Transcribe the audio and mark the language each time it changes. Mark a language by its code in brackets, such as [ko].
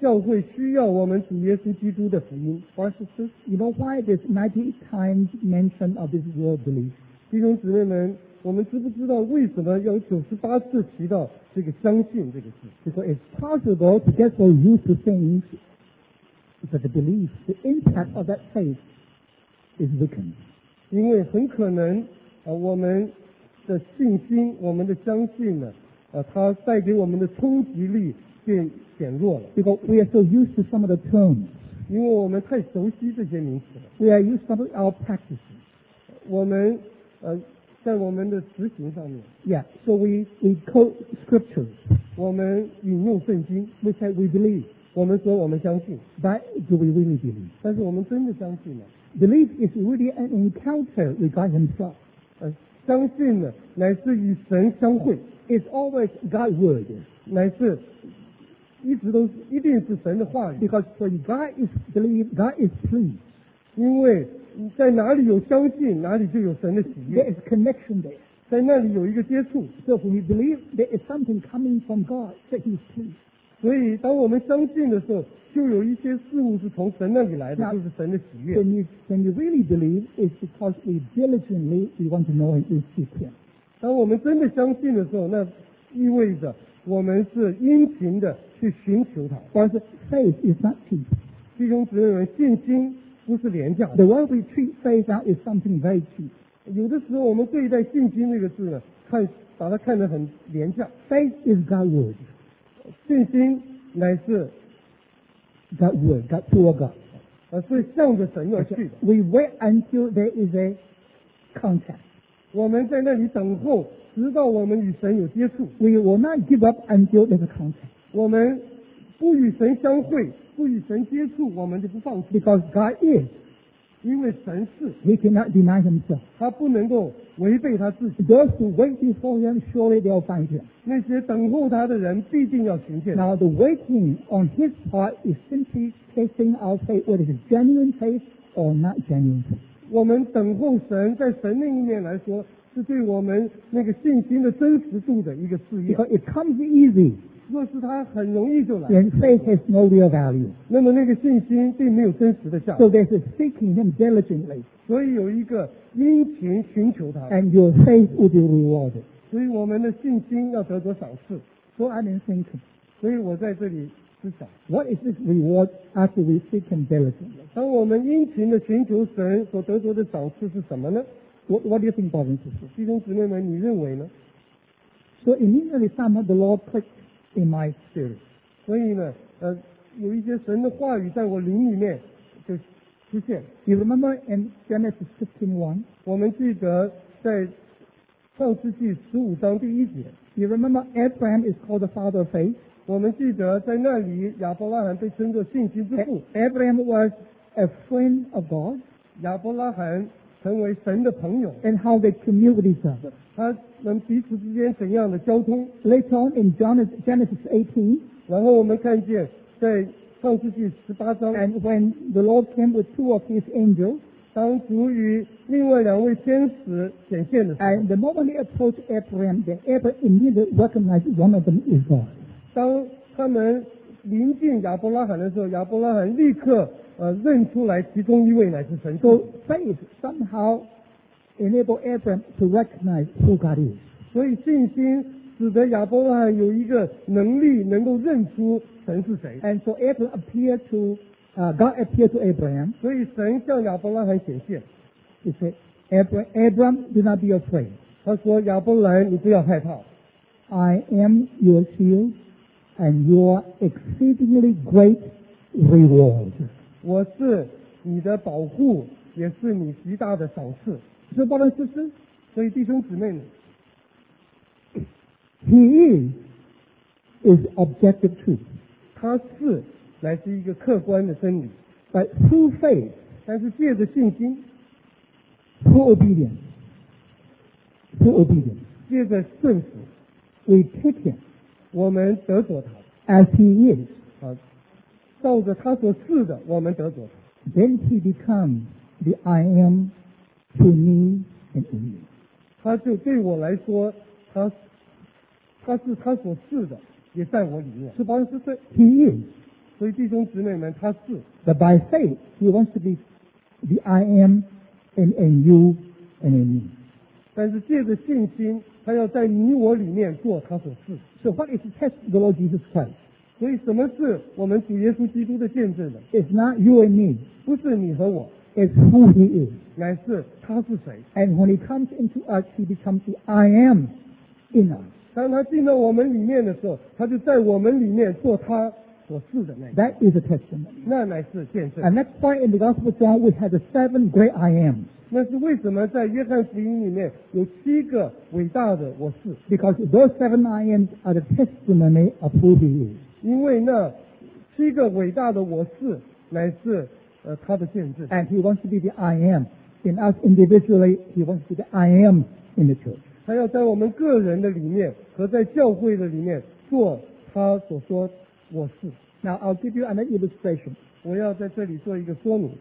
[zh] 教会需要我们主耶稣基督的福音。 [en] Pastor, you know why this 98 times mention of this word belief? [zh] 弟兄姊妹们，我们知不知道为什么要九十八次提到这个相信这个字？就说 [en] it's possible to get so used to things that the belief, the impact of that faith is weakened. [zh] 因为很可能我们的信心，我们的相信呢，它带给我们的冲击力变减弱了。 [en] Because we are so used to some of the terms. [zh] 因为我们太熟悉这些名词了。 [en] We are used to some of our practices. [zh] 我们在我们的执行上面 [en] ，Yeah, so we quote scriptures. [zh] 我们引用圣经 [en] ，We say we believe. [zh] 我们说我们相信 [en] ，But do we really believe? [zh] 但是我们真的相信吗 [en] ？Belief is really an encounter with God Himself. [zh] 相信呢，乃是与神相会。 [en] It's always God's word. [zh] 乃是一直都是一定是神的话语。 [en] Because when God is believed, God is pleased. [zh] 因为在哪里有相信，哪里就有神的喜悦。 [en] There is connection there. [zh] 在那里有一个接触。 [en] So when we believe, there is something coming from God that He is pleased. [zh] 所以当我们相信的时候，就有一些事物是从神那里来的，就是神的喜悦。 [en] When you really believe, it's because we diligently we want to know and seek Him. [zh] 当我们真的相信的时候，那意味着我们是殷勤的去寻求他。但是 [en] faith is not cheap. [zh] 弟兄姊妹们，信心不是廉价的。 [en] The way we treat faith is something very cheap. [zh] 有的时候我们对待信心这个字呢，把它看得很廉价。 [en] Faith is God's word. [zh] 信心乃是 [en] God's word, God's pure God. [zh] 是向着神要去的。 [en] We wait until there is a contact. [zh] 我们在那里等候，直到我们与神有接触。 [en] We will not give up until there is a contact. [zh] 我们不与神相会，不与神接触，我们就不放弃。 [en] Because God is, [zh] 因为神是。 [en] He cannot deny himself. [zh] 他不能够违背他自己。 [en] Those who wait for him, surely they'll find him. [zh] 那些等候他的人必定要寻见。 [en] Now the waiting on his part is simply testing our faith, whether it's genuine faith or not genuine faith. [zh] 我们等候神，在神那一面来说，是对我们那个信心的真实度的一个试验。 [en] Because it comes easy. [zh] 若是他很容易就来， [en] then faith has no real value. [zh] 那么那个信心并没有真实的价值。 [en] So there's a seeking him diligently. [zh] 所以有一个殷勤寻求他。 [en] And your faith will be rewarded. [zh] 所以我们的信心要得着赏赐。 [en] So I'm in thinking. [zh] 所以我在这里思想。 [en] What is this reward after we seek him diligently? [zh] 当我们殷勤的寻求神所得着的赏赐是什么呢？ [en] What do you think, Bob? [zh] 弟兄姊妹们，你认为呢？ [en] So immediately some of the Lord clickedIn my spirit. [zh] 所以呢，有一些神的话语在我灵里面就出现。 [en] You remember in Genesis 15:1? [zh] 我们记得在创世纪十五章第一节。 [en] You remember Abraham is called the father of faith? [zh] 我们记得在那里亚伯拉罕被称作信心之父。 [en] Abraham was a friend of God. [zh] 亚伯拉罕成为神的朋友。 [en] And how they commune with each other. [zh] 他们彼此之间怎样的交通。 [en] Later on in Genesis 18, [zh] 然后我们看见在创世纪十八章， [en] And when the Lord came with two of his angels, [zh] 当主与另外两位天使显现的时候， [en] And the moment he approached Abraham, the Abraham immediately recognized one of them is God. [zh] 当他们临近亚伯拉罕的时候，亚伯拉罕立刻认出来其中一位乃是神。 [en] So faith somehowenable Abraham to recognize who God is. [zh] 所以信心使得亚伯拉罕有一个能力能够认出神是谁。 [en] And so Abraham appeared to, God appeared to Abraham. [zh] 所以神向亚伯拉罕显现。 [en] He said, Abraham, do not be afraid. [zh] 他说亚伯拉罕你不要害怕。 [en] I am your shield and your exceedingly great reward. [zh] 我是你的保护，也是你极大的赏赐。 [en] So, brothers and sisters, [zh] 所以弟兄姊妹， [en] He is objective truth. [zh] 他是来自一个客观的真理。 [en] But through faith, [zh] 但是借着信心， [en] through obedience, [zh] 借着顺服， [en] we take him, [zh] 我们得着他， [en] as he is, [zh] 照着他所是的，我们得着他。 [en] Then he becomes the I am. To me and to you. [zh] 他就对我来说，他是他所是的，也在我里面。是吧？是是。 [en] He is. [zh] 所以弟兄姊妹们，他是。 [en] But by faith, he wants to be the I am and you and in me. [zh] 但是借着信心，他要在你我里面做他所是。 [en] So what is the test of the Lord Jesus Christ? [zh] 所以什么是我们主耶稣基督的见证呢？ [en] It's not you and me. [zh] 不是你和我。 [en] Is who he is. [zh] 乃是他是谁。 [en] And when he comes into us, he becomes the I am in us. [zh] 当他进到我们里面的时候，他就在我们里面做他所是的那个。 [en] That is a testimony. [zh] 那乃是见证。 [en] And that's why in the Gospel of John, we have the seven great I am. [zh] 那是为什么在约翰福音里面有七个伟大的我是。 [en] Because those seven I am are the testimony of who he is. [zh] 因为那七个伟大的我是乃是他的见证。 [en] And he wants to be the I am. In us individually, he wants to be the I am in the church. [zh] 他要在我们个人的里面和在教会的里面做他所说我是。 [en] Now, I'll give you an illustration. [zh] 我要在这里做一个说明。